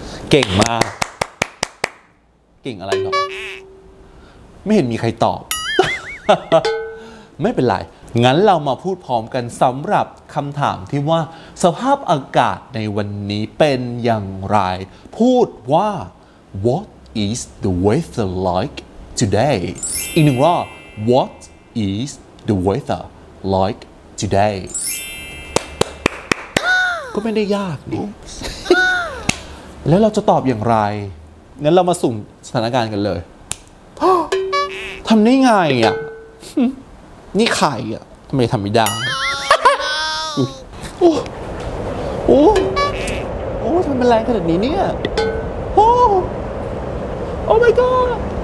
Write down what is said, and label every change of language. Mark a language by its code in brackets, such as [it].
[th] เก่งมากเก่งอะไรหรอไม่เห็นมีใครตอบไม่เป็นไรงั้นเรามาพูดพร้อมกันสำหรับคำถามที่ว่าสภาพอากาศในวันนี้เป็นอย่างไรพูดว่า [en] What is the weather like today [th] อีกหนึ่งรอบ [en] What is the weather like today [th] ก็ไม่ได้ยากนี่แล้วเราจะตอบอย่างไรงั้นเรามาสุ่มสถานการณ์กันเลยทำได้ไงอ่ะ นี่ไข่อ่ะทำไมทำไม่ได้โอ้โอ้โอ้ทำไมแรงขนาดนี้เนี่ยโอ้โอ้ [en] my god